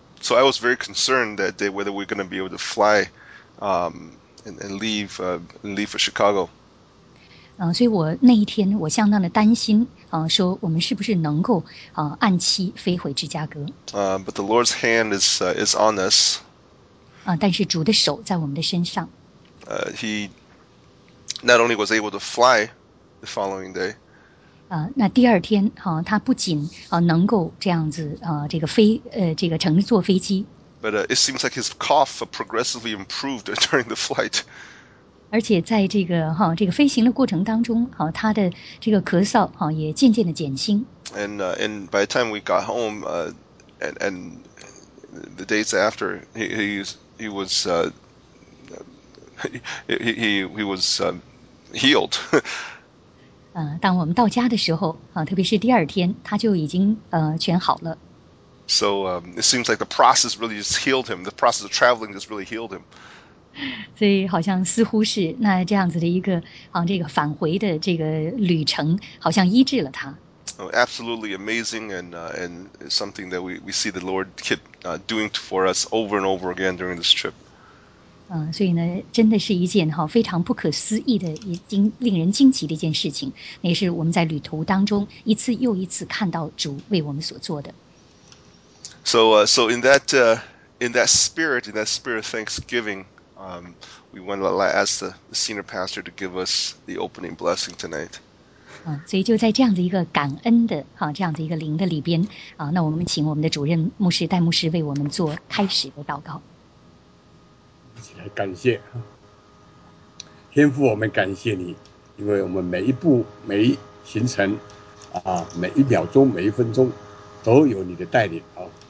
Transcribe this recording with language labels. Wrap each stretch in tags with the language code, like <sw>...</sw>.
<en>So I was very concerned that day whether we're going to be able to fly, and leave for Chicago.</en> <zh>所以我那一天我相当的担心说我们是不是能够按期飞回芝加哥。</zh> <en>But the Lord's hand is on us.</en> <zh>但是主的手在我们的身上。</zh> <en>He not only was able to fly the following day.</en> <zh>那第二天他不仅能够这样子这个飞这个乘坐飞机。</zh> <en>But it seems like his cough progressively improved during the flight.</en> <zh>而且在这个这个飞行的过程当中他的这个咳嗽也渐渐的减轻。</zh> <en>And by the time we got home, and the days after, he was healed.</en> <zh>当我们到家的时候，特别是第二天，他就已经全好了。</zh> <en>So, it seems like the process really just healed him. The process of traveling just really healed him.</en> <zh>所以好像似乎是那这样子的一个，啊，这个返回的这个旅程，好像医治了他。</zh> <en>Oh, absolutely amazing, and something that we see the Lord keep doing for us over and over again during this trip.</en> <zh>所以呢，真的是一件哈非常不可思议的，已经令人惊奇的一件事情。那也是我们在旅途当中一次又一次看到主为我们所做的。</zh> <en>So, in that spirit of Thanksgiving, we want to ask the senior pastor to give us the opening blessing tonight.</en> <zh>所以就在这样子一个感恩的哈，这样子一个灵的里边啊，那我们请我们的主任牧师戴牧师为我们做开始的祷告。一起来感谢天父，我们感谢你，因为我们每一步、每一行程啊，每一秒钟、每一分钟都有你的带领啊。</zh>